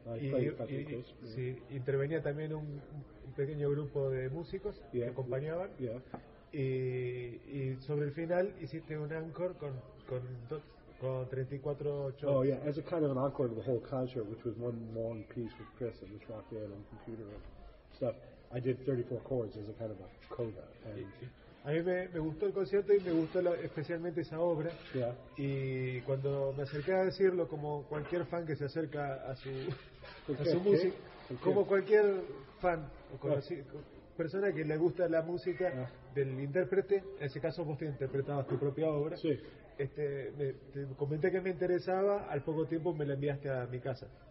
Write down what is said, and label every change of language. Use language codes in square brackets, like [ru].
[es] sí, intervenía también un pequeño grupo de músicos que acompañaban. Yeah. Y sobre el final hiciste un encore con 34 shows. [en] Oh yeah, as a kind of an encore of the whole concert, which was one long piece with Chris and this rock band and computer and stuff. I did 34 chords as a kind of a coda. [es] A mí me gustó el concierto y me gustó especialmente esa obra. Yeah. Y cuando me acerqué a decirlo, como cualquier fan que se acerca a su música, como cualquier fan o persona que le gusta la música del intérprete, en ese caso vos te interpretabas tu propia obra, te comenté que me interesaba, al poco tiempo me la enviaste a mi casa.